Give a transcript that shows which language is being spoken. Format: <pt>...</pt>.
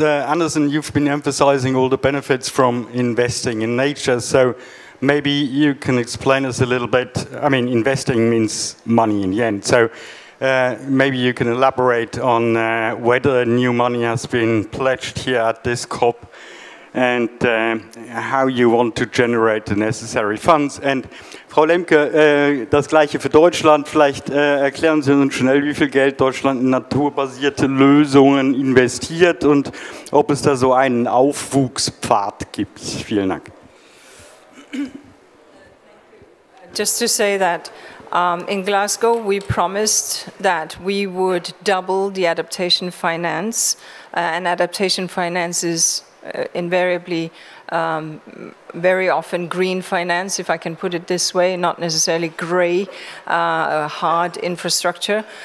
<en>Anderson, you've been emphasizing all the benefits from investing in nature, so maybe you can explain us a little bit. I mean, investing means money in yen, so maybe you can elaborate on whether new money has been pledged here at this COP and how you want to generate the necessary funds.</en> <de>And Frau Lemke, das Gleiche für Deutschland. Vielleicht erklären Sie uns schnell, wie viel Geld Deutschland in naturbasierte Lösungen investiert und ob es da so einen Aufwuchspfad gibt. Vielen Dank.</de> <en>Just to say that in Glasgow we promised that we would double the adaptation finance, and adaptation finance is invariably very often green finance, if I can put it this way, not necessarily grey, hard infrastructure.</en>